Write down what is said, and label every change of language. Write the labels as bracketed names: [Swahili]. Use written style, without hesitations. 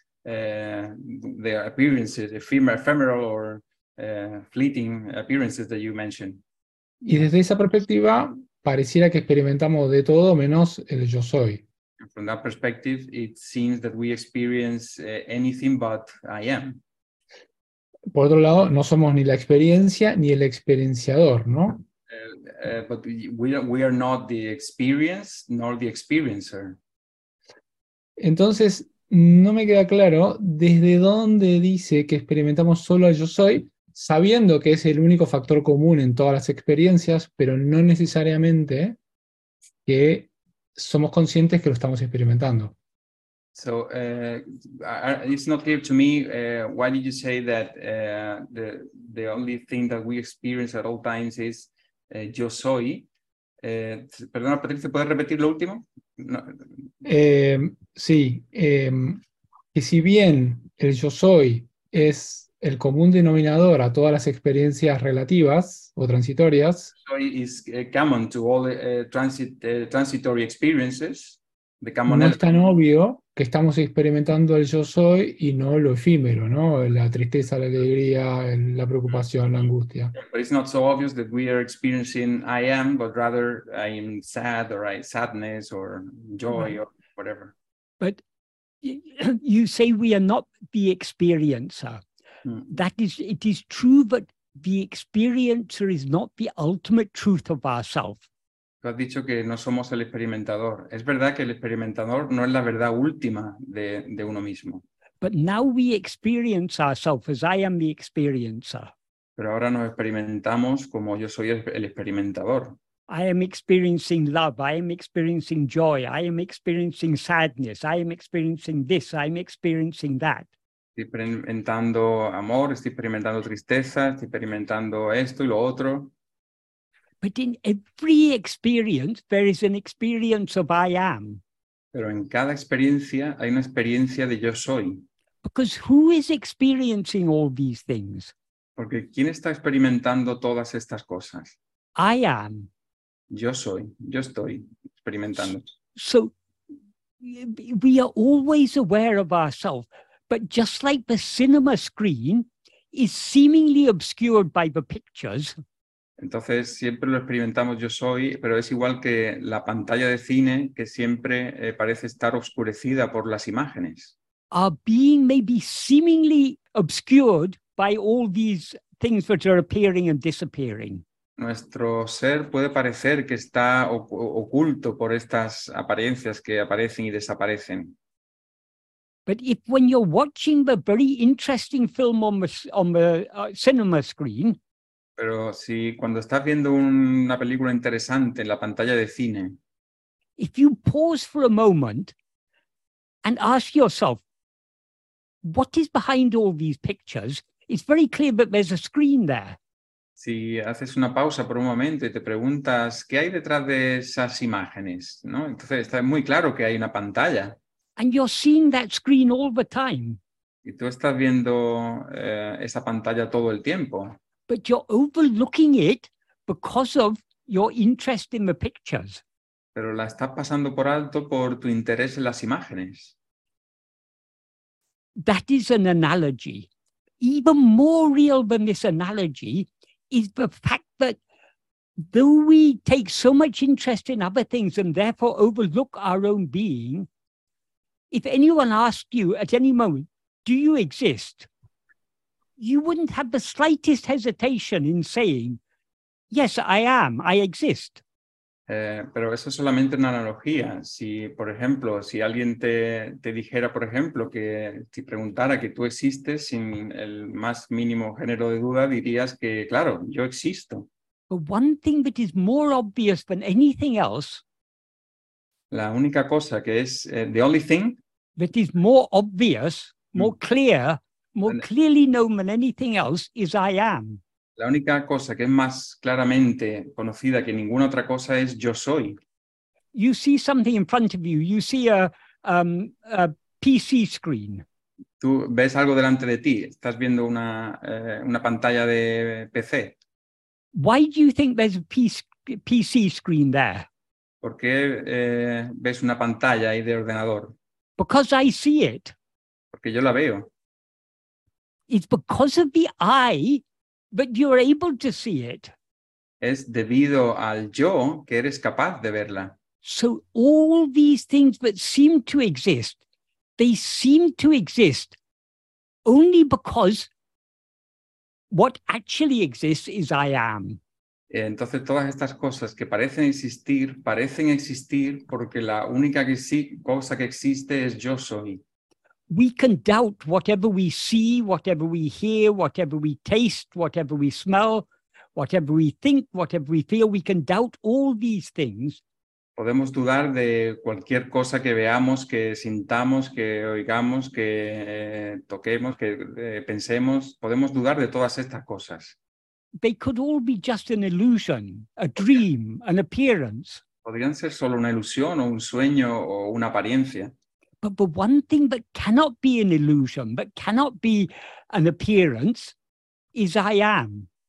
[English] The appearances, ephemeral or fleeting appearances that you mentioned. [Spanish] Y desde esa perspectiva, pareciera que experimentamos de todo menos el yo soy. [English] And from that perspective, it seems that we experience anything but I am. [Spanish] Por otro lado, no somos ni la experiencia ni el experienciador, ¿no? [English] But we are not the experience nor the experiencer. [Spanish] Entonces, no me queda claro desde dónde dice que experimentamos solo al yo soy, sabiendo que es el único factor común en todas las experiencias, pero no necesariamente que somos conscientes que lo estamos experimentando. [English] So it's not clear to me why did you say that the only thing that we experience at all times is yo soy. [Spanish] Perdona, Patricio, ¿puedes repetir lo último? No. Que si bien el yo soy es el común denominador a todas las experiencias relativas o transitorias. [English] Soy is common to all transitory experiences. [Spanish] No es tan obvio que estamos experimentando el yo soy y no lo efímero, ¿no? La tristeza, la alegría, la preocupación, la angustia. [English] But it's not so obvious that we are experiencing I am, but rather I am sad or sadness or joy or whatever. But you say we are not the experiencer. That is, it is true, but the experiencer is not the ultimate truth of ourselves. [Spanish] Tú has dicho que no somos el experimentador. Es verdad que el experimentador no es la verdad última de uno mismo. [English] But now we experience ourselves as I am the experiencer. [Spanish] Pero ahora nos experimentamos como yo soy el experimentador. [English] I am experiencing love, I am experiencing joy, I am experiencing sadness, I am experiencing this, I am experiencing that. [Spanish] Estoy experimentando amor, estoy experimentando tristeza, estoy experimentando esto y lo otro. [English] But in every experience, there is an experience of I am. [Spanish] Pero en cada experiencia hay una experiencia de yo soy. [English] Because who is experiencing all these things? [Spanish] Porque ¿quién está experimentando todas estas cosas? [English] I am. [Spanish] Yo soy, yo estoy experimentando. [English] So we are always aware of ourselves, but just like the cinema screen is seemingly obscured by the pictures. [Spanish] Entonces siempre lo experimentamos yo soy, pero es igual que la pantalla de cine que siempre parece estar oscurecida por las imágenes. [English] Our being may be seemingly obscured by all these things that are appearing and disappearing. [Spanish] Nuestro ser puede parecer que está oculto por estas apariencias que aparecen y desaparecen. [English] But if when you're watching the very interesting film cinema screen, [Spanish] pero si cuando estás viendo una película interesante en la pantalla de cine, [English] if you pause for a moment and ask yourself, what is behind all these pictures? It's very clear that there's a screen there. [Spanish] Si haces una pausa por un momento y te preguntas qué hay detrás de esas imágenes, ¿no? Entonces está muy claro que hay una pantalla. [English] And you're seeing that screen all the time. [Spanish] Y tú estás viendo esa pantalla todo el tiempo. [English] But you're overlooking it because of your interest in the pictures. [Spanish] Pero la estás pasando por alto por tu interés en las imágenes. [English] That is an analogy. Even more real than this analogy is the fact that though we take so much interest in other things and therefore overlook our own being, if anyone asked you at any moment, do you exist? You wouldn't have the slightest hesitation in saying, yes, I am, I exist. [Spanish] Pero eso es solamente una analogía. Si, por ejemplo, si alguien te dijera, por ejemplo, que te preguntara que tú existes sin el más mínimo género de duda, dirías que, claro, yo existo. [English] But one thing that is more obvious than anything else, [Spanish] la única cosa que es, [English] the only thing, that is more obvious, more clear, more clearly known than anything else, is I am. [Spanish] La única cosa que es más claramente conocida que ninguna otra cosa es yo soy. [English] You see something in front of you. You see a PC screen. [Spanish] Tú ves algo delante de ti. Estás viendo una pantalla de PC. [English] Why do you think there's a PC screen there? [Spanish] ¿Por qué ves una pantalla ahí de ordenador? [English] Because I see it. [Spanish] Porque yo la veo. [English] It's because of the I that you're able to see it. [Spanish] Es debido al yo que eres capaz de verla. [English] So all these things that seem to exist, they seem to exist only because what actually exists is I am. [Spanish] Entonces todas estas cosas que parecen existir porque la única cosa que existe es yo soy. [English] We can doubt whatever we see, whatever we hear, whatever we taste, whatever we smell, whatever we think, whatever we feel. We can doubt all these things. [Spanish] Podemos dudar de cualquier cosa que veamos, que sintamos, que oigamos, que toquemos, que pensemos. Podemos dudar de todas estas cosas. [English] They could all be just an illusion, a dream, an appearance. [Spanish] Podrían ser solo una ilusión o un sueño o una apariencia. [English] But the one thing that cannot be an illusion, that cannot be an appearance, is I am.